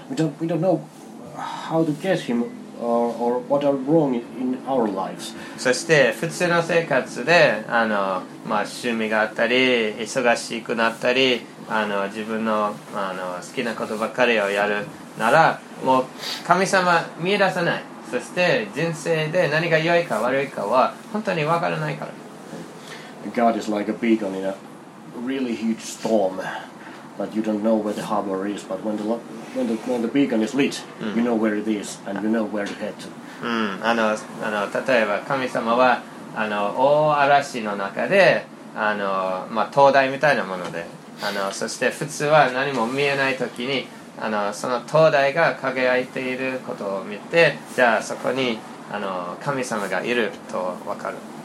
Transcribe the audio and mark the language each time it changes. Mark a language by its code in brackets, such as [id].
[en] We don't know how to get Him or what are wrong in our lives. [ja] そして普通の生活で趣味があったり忙しくなったり自分の好きなことばかりをやるならもう神様見出さない。そして人生で何が良いか悪いかは本当に分からないから。 [en] God is like a beacon in a really huge storm, but you don't know where the harbor is. But when the beacon is lit, you know where it is, and you know where to head to. [ja] あの、例えば神様はあの大嵐の中で、あの、まあ、灯台みたいなもので、あの、そして普通は何も見えない時に、あの、その灯台が輝いていることを見て、じゃあそこに、あの、神様がいると分かる。